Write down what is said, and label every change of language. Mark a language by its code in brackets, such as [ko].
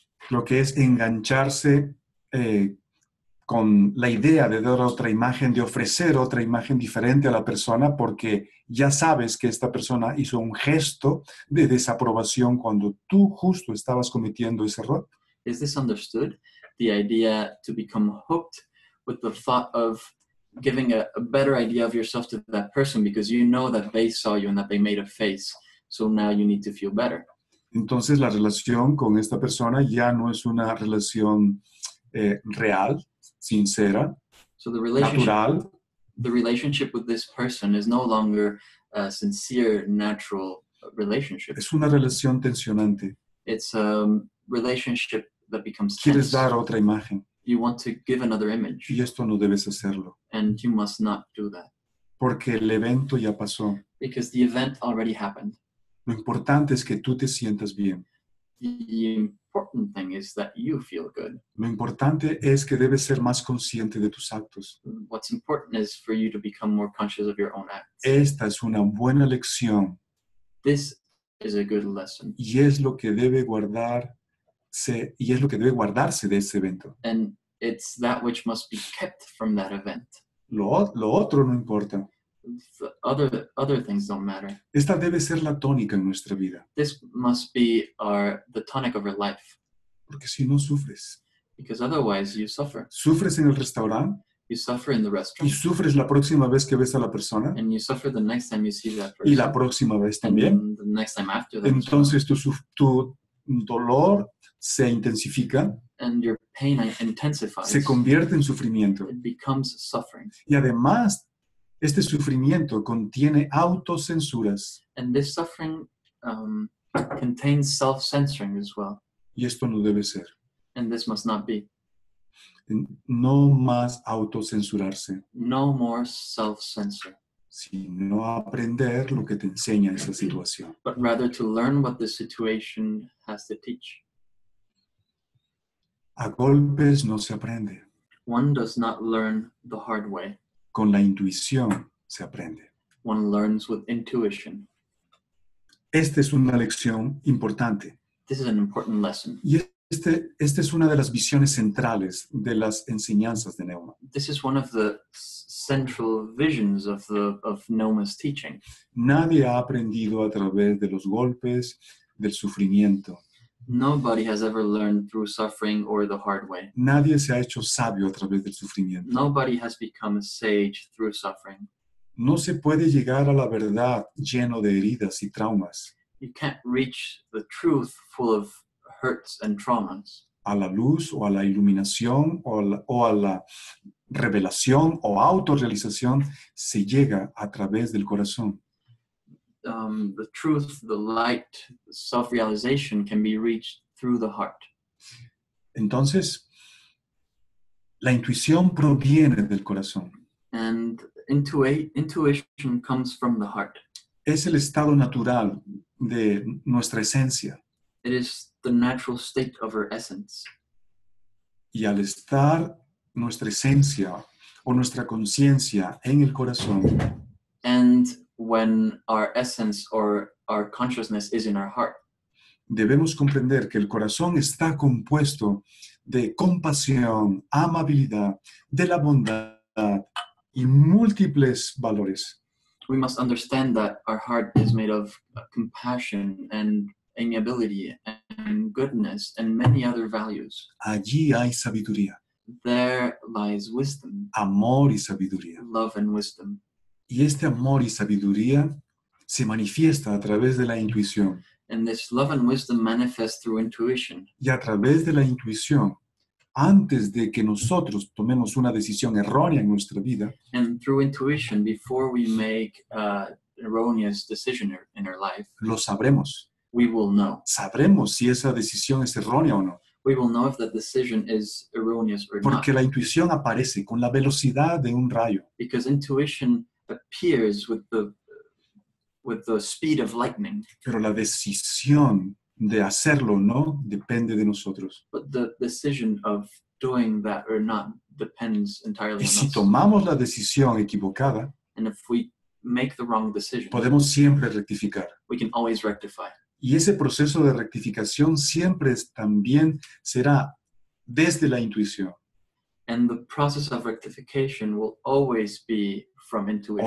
[es] Lo que es engancharse con la idea de dar otra imagen, de ofrecer otra imagen diferente a la persona, porque ya sabes que esta persona hizo un gesto de desaprobación cuando tú justo estabas cometiendo ese error. [en] Is this understood? The idea to become hooked with the thought of giving a better idea of yourself to that person because you know that they saw you and that they made a face, so now you need to feel better. [es] Entonces la relación con esta persona ya no es una relación real, sincera, [en] so the relationship, [es] natural. [en] The relationship with this person is no longer a sincere, natural relationship. [es] Es una relación tensionante. [en] It's a relationship that becomes tense. [es] Quieres dar otra imagen. [en] You want to give another image. [es] Y esto no debes hacerlo. [en] And you must not do that. [es] Porque el evento ya pasó. [en] Because the event already happened. [es] Lo importante es que tú te sientas bien. [en] The important thing is that you feel good. [es] Lo importante es que debes ser más consciente de tus actos. [en] What's important is for you to become more conscious of your own acts. [es] Esta es una buena lección. [en] This is a good lesson. [es] Y es lo que debe guardarse, y es lo que debe guardarse de ese evento. [en] And it's that which must be kept from that event. [es] Lo otro no importa. [en] Other things don't matter. [es] Esta debe ser la tónica en nuestra vida. [en] This must be the tonic of our life. [es] Porque si no sufres. [en] Because otherwise you suffer. [es] Sufres en el restaurante. [en] You suffer in the restaurant. [es] Y sufres la próxima vez que ves a la persona. [en] And you suffer the next time you see that person. [es] Y la próxima vez también. [en] And the next time after that. [es] Entonces tu dolor se intensifica. [en] And your pain intensifies. [es] Se convierte en sufrimiento. [en] It becomes suffering. [es] Y además, este sufrimiento contiene autocensuras. [en] And this suffering contains self-censoring as well. [es] Y esto no debe ser. [en] And this must not be. [es] No más autocensurarse. [en] No more self-censor. [es] Sino aprender lo que te enseña esa situación. [en] But rather to learn what the situation has to teach. [es] A golpes no se aprende. [en] One does not learn the hard way. [es] Con la intuición se aprende. [en] One learns with intuition. [es] Esta es una lección importante. [en] This is an important lesson. [es] Y esta es una de las visiones centrales de las enseñanzas de Neuma. [en] This is one of the central visions of Neuma's teaching. [es] Nadie ha aprendido a través de los golpes del sufrimiento. [en] Nobody has ever learned through suffering or the hard way. [es] Nadie se ha hecho sabio a través del sufrimiento. [en] Nobody has become a sage through suffering. [es] No se puede llegar a la verdad lleno de heridas y traumas. [en] You can't reach the truth full of hurts and traumas. [es] A la luz o a la iluminación o a la revelación o autorrealización se llega a través del corazón. [en] The truth, the light, the self-realization can be reached through the heart. [es] Entonces, la intuición proviene del corazón. [en] And intuition comes from the heart. [es] Es el estado natural de nuestra esencia. [en] It is the natural state of our essence. [es] Y al estar nuestra esencia o nuestra conciencia en el corazón, [en] and when our essence or our consciousness is in our heart, [es] debemos comprender que el corazón está compuesto de compasión, amabilidad, de la bondad y múltiples valores. [en] We must understand that our heart is made of compassion and amiability and goodness and many other values. [es] Allí hay sabiduría. [en] There lies wisdom. [es] Amor y sabiduría. [en] Love and wisdom. [es] Y este amor y sabiduría se manifiesta a través de la intuición. [en] And this love and wisdom manifests through intuition. [es] Y a través de la intuición, antes de que nosotros tomemos una decisión errónea en nuestra vida, [en] and through intuition, before we make an erroneous decision in our life, [es] lo sabremos. [en] We will know. [es] Sabremos si esa decisión es errónea o no. [en] We will know if that decision is erroneous or [es] Porque [en] not. [es] Porque la intuición aparece con la velocidad de un rayo. [en] Because intuition appears with the speed of lightning. [es] Pero la decisión de hacerlo o no depende de nosotros. [en] But the decision of doing that or not depends entirely [es] y [en] on [es] si [en] us. [es] Y si tomamos la decisión equivocada, [en] and if we make the wrong decision, [es] podemos siempre rectificar. [en] We can always rectify. [es] Y ese proceso de rectificación siempre también será desde la intuición. [en] And the process of rectification will always be from intuition.